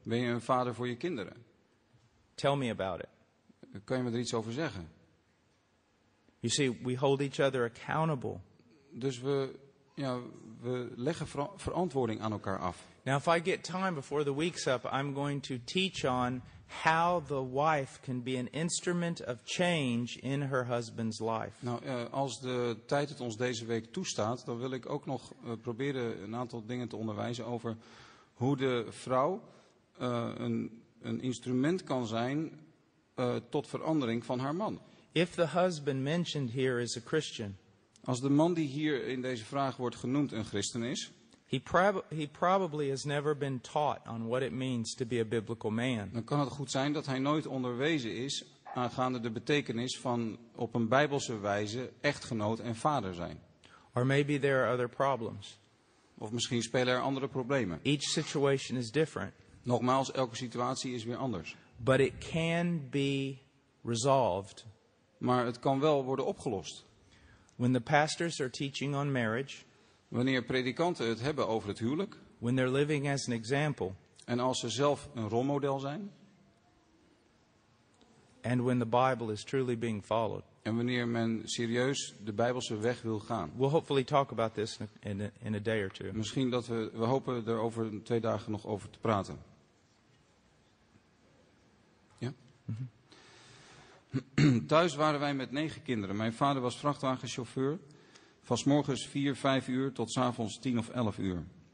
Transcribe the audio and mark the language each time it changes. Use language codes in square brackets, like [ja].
[nl] Ben je een vader voor je kinderen? [en] Tell me about it. [nl] Kun je me er iets over zeggen? [en] You see, we hold each other accountable. [nl] Dus we leggen verantwoording aan elkaar af. [en] Now, if I get time before the week's up, I'm going to teach on how the wife can be an instrument of change in her husband's life. [nl] Nou, als de tijd het ons deze week toestaat, dan wil ik ook nog proberen een aantal dingen te onderwijzen over hoe de vrouw een instrument kan zijn tot verandering van haar man. [en] If the husband mentioned here is a Christian, [nl] als de man die hier in deze vraag wordt genoemd een christen is, [en] he probably has never been taught on what it means to be a biblical man. [nl] Dan kan het goed zijn dat hij nooit onderwezen is aangaande de betekenis van op een Bijbelse wijze echtgenoot en vader zijn. [en] Or maybe there are other problems. [nl] Of misschien spelen er andere problemen. [en] Each situation is different. [nl] Nogmaals, elke situatie is weer anders. [en] But it can be resolved. [nl] Maar het kan wel worden opgelost. [en] When the pastors are teaching on marriage. [nl] Wanneer predikanten het hebben over het huwelijk. [en] When they're living as an example. [nl] En als ze zelf een rolmodel zijn. [en] And when the Bible is truly being followed. [nl] En wanneer men serieus de Bijbelse weg wil gaan. [en] We'll hopefully talk about this in a day or two. [nl] Misschien dat we hopen er over twee dagen nog over te praten. Ja? Mm-hmm. Thuis waren wij met 9 kinderen. Mijn vader was vrachtwagenchauffeur. Van 's morgens 4-5 uur tot 's avonds 10 of 11 uur.